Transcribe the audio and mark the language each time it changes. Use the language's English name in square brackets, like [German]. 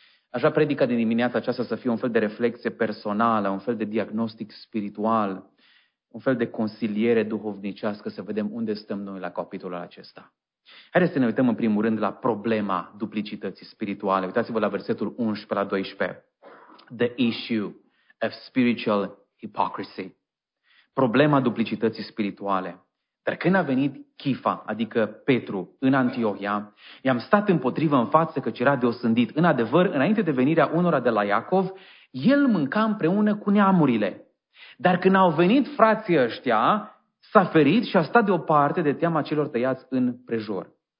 [Romanian] Aș vrea predica din dimineața aceasta să fie un fel de reflecție personală, un fel de diagnostic spiritual, un fel de consiliere duhovnicească, să vedem unde stăm noi la capitolul acesta. Haideți să ne uităm în primul rând la problema duplicității spirituale. Uitați-vă la versetul 11 la 12. [English] The issue of spiritual hypocrisy. [Romanian] Problema duplicității spirituale. Dar când a venit Chifa, adică Petru, în Antiohia, i-am stat împotrivă în față căci era deosândit. În adevăr, înainte de venirea unora de la Iacov, el mânca împreună cu neamurile. Dar când au venit frații ăștia, s-a ferit și a stat deoparte de teama celor tăiați în prejur.